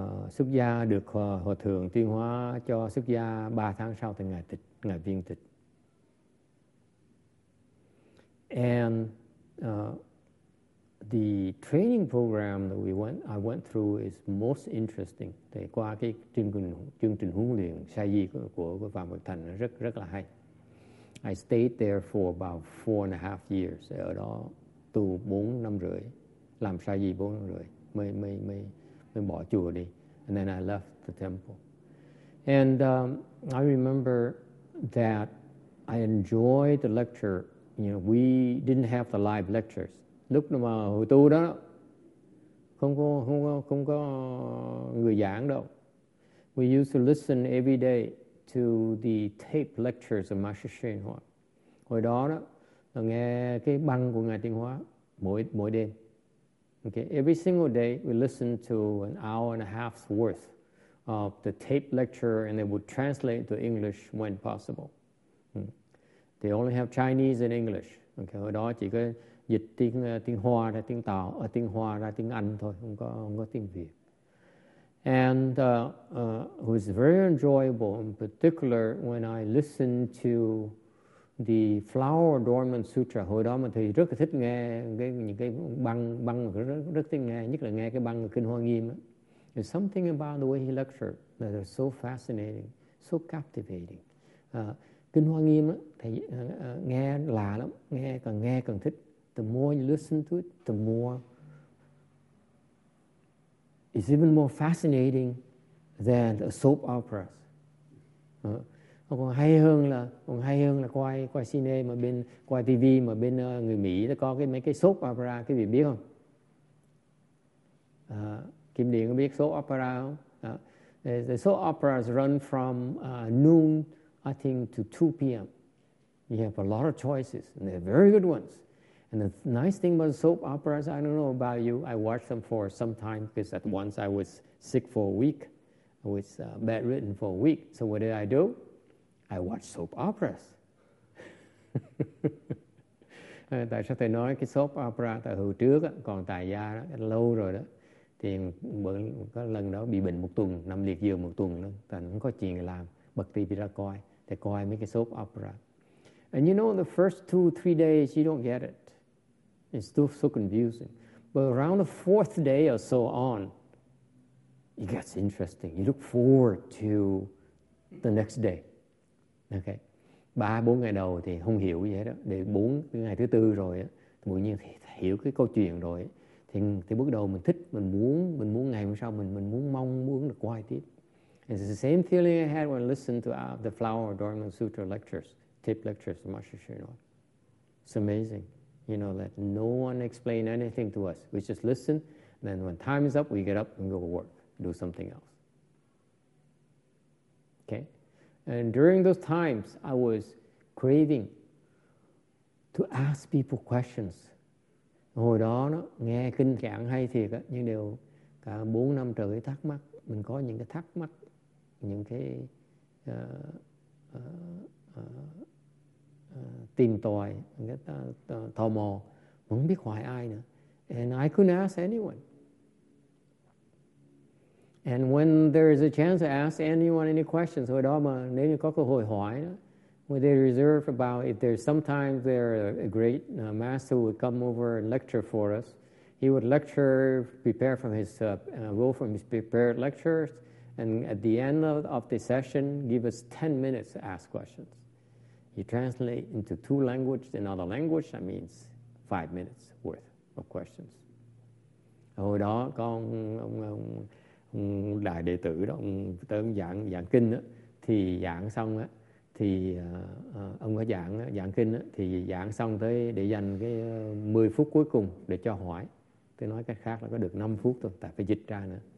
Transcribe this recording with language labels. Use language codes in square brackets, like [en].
[vi] Xuất gia được Hòa Thượng Tuyên Hóa cho xuất gia 3 tháng sau thì ngài viên tịch. [en] And the training program that I went through is most interesting. [vi] Thì qua cái chương trình huấn luyện sai di của Phạm Bậc Thành rất rất là hay. [en] I stayed there for about 4.5 years. [vi] Ở đó tu 4.5 năm, làm sai di 4.5 năm, mới bỏ chùa đi. [en] And then I left the temple. And I remember that I enjoyed the lecture. You know, we didn't have the live lectures. [vi] Lúc mà hồi tu đó, không có người giảng đâu. [en] We used to listen every day to the tape lectures of Master Shen Hua. [vi] Hồi đó đó, là nghe cái băng của Ngài Tiên Hóa mỗi đêm. [en] Okay, every single day, we listened to an hour and a half's worth of the tape lecture, and they would translate to English when possible. They only have Chinese and English. [vi] Okay, hồi đó chỉ có dịch tiếng Hoa ra tiếng Tàu, ở tiếng Hoa ra tiếng Anh thôi, không có tiếng Việt. [en] And it was very enjoyable, in particular when I listened to the Flower Adornment Sutra. [vi] Hồi đó mà thầy rất là thích nghe những cái băng rất thích nghe, nhất là nghe cái băng Kinh Hoa Nghiêm. [en] There's something about the way he lectured that is so fascinating, so captivating. [vi] Kinh Hoa Nghiêm thầy nghe lạ lắm, nghe càng thích. [en] The more you listen to it, the more it's even more fascinating than a soap opera. [vi] Còn hay hơn là quay cine mà bên quay TV mà bên người Mỹ nó có cái mấy cái soap opera, quý vị biết không? Kim Điền có biết soap opera không? [en] The soap operas run from noon, I think, to 2 p.m. You have a lot of choices, and they're very good ones. And the nice thing about soap operas, I don't know about you, I watched them for some time because at once I was sick for a week. I was bedridden for a week. So what did I do? I watched soap operas. [vi] Tại sao tôi nói cái soap opera tại hồi trước, còn tại gia đó, lâu rồi đó. Thì có lần đó bị bệnh một tuần, nằm liệt giường một tuần. Tại không có chuyện làm, bật TV ra coi. Thì coi mấy cái soap opera. [en] And you know, the first 2-3 days, you don't get it. It's still so confusing. But around the fourth day or so on, it gets interesting. You look forward to the next day. Okay. [vi] 3-4 ngày đầu thì không hiểu gì hết đó. Để 4 ngày thứ tư rồi á, tự nhiên thì hiểu cái câu chuyện rồi. Thì bước đầu mình thích, mình muốn ngày hôm sau mình muốn được quay tiếp. [en] It's the same feeling I had when I listened to the Flower Adornment Sutra lectures, tape lectures of Master Shen Hua. It's amazing. You know, that no one explain anything to us. We just listen. Then when time is up, we get up and go to work, do something else. Okay? And during those times, I was craving to ask people questions. [vi] Hồi đó, nghe kinh giảng hay thiệt, nhưng đều cả 4 năm trời thắc mắc. Mình có những cái thắc mắc, những cái tìm tòi, tò mò, không biết hỏi ai nữa. [en] And I couldn't ask anyone. And when there is a chance to ask anyone any questions, [vi] hồi đó mà nếu như có cơ hội hỏi, [en] Well, they reserve about, if there's sometimes there a great master would come over and lecture for us, he would lecture, prepare from his will from his prepared lectures, and at the end of the session, give us 10 minutes to ask questions. You translate into two languages, another language, that means 5 minutes worth of questions. [vi] Hồi đó, con, ông đại đệ tử đó, ông tới giảng, giảng kinh đó, thì giảng xong á, thì ông có giảng, giảng kinh đó, thì giảng xong tới để dành cái 10 phút cuối cùng để cho hỏi. Tôi nói cách khác là có được 5 phút thôi, tại phải dịch ra nữa.